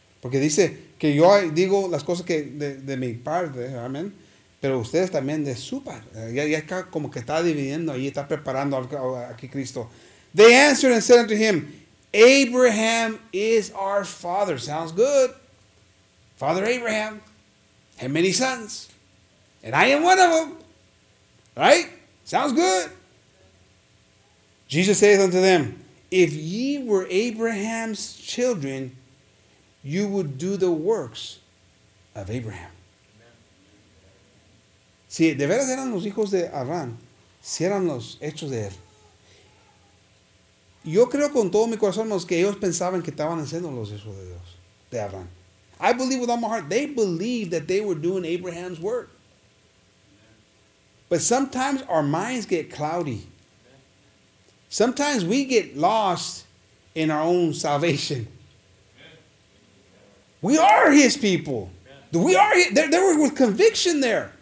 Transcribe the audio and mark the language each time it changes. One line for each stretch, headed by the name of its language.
Spanish: Porque dice que yo digo las cosas que de mi parte, amén, pero ustedes también de su parte. Ya está como que está dividiendo ahí, está preparando aquí Cristo.
English: They answered and said unto him, Abraham is our father. Sounds good. Father Abraham had many sons, and I am one of them. Right? Sounds good. Jesus saith unto them, if ye were Abraham's children, you would do the works of Abraham.
Spanish: Si de veras eran los hijos de Abraham, si eran los hechos de él. Yo creo con todo mi corazón que ellos pensaban que estaban haciendo los hijos de Dios, de Abraham.
English: I believe with all my heart, they believed that they were doing Abraham's work. But sometimes our minds get cloudy. Sometimes we get lost in our own salvation. We are his people. We are his, they were with conviction there.